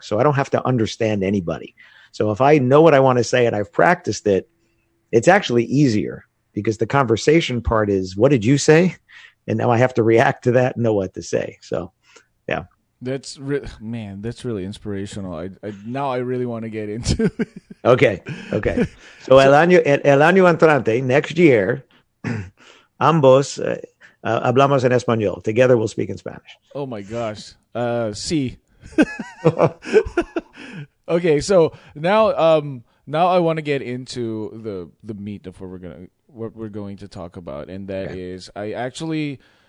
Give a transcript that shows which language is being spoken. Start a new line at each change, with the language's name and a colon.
English: So I don't have to understand anybody. So if I know what I want to say and I've practiced it, it's actually easier because the conversation part is, what did you say? And now I have to react to that and know what to say. So, yeah. That's really inspirational. Now I really want to get into it. Okay.
Spanish: So el año entrante,
English: next year,
Spanish: ambos... hablamos en español.
English: Together we'll speak in Spanish. Oh my gosh. Sí. Okay, so now I want to get into the meat of what we're going to talk about, and that is I actually